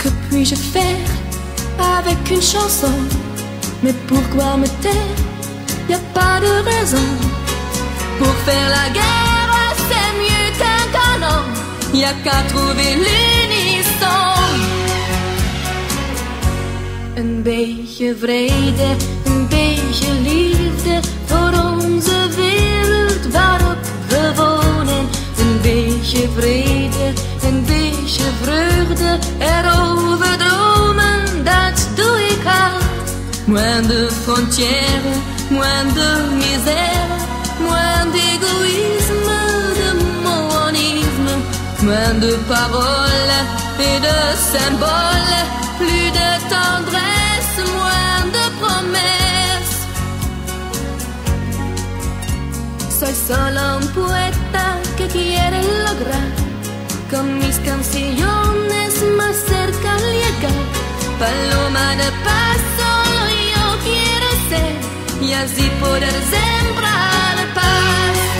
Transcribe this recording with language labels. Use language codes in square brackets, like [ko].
[fr] Puis-je faire avec une chanson? Mais pourquoi me taire? Y'a pas de raison. Pour faire la guerre, c'est mieux qu'un canon. Y'a qu'à trouver l'unisson. [nl] Un beetje vrede, un beetje liefde voor onze wereld waarop we wonen. Un beetje vrede, een beetje vreugde erover dromen, dat doe ik al. [fr] Moins de frontières, moins de misère, moins d'égoïsme, de monisme, moins de paroles et de symboles, plus de tendresse, moins de promesses. [es] Soy solo un poeta que quiere lograr. Con mis canciones más cerca llega. Paloma de paso yo quiero ser, y así poder sembrar paz.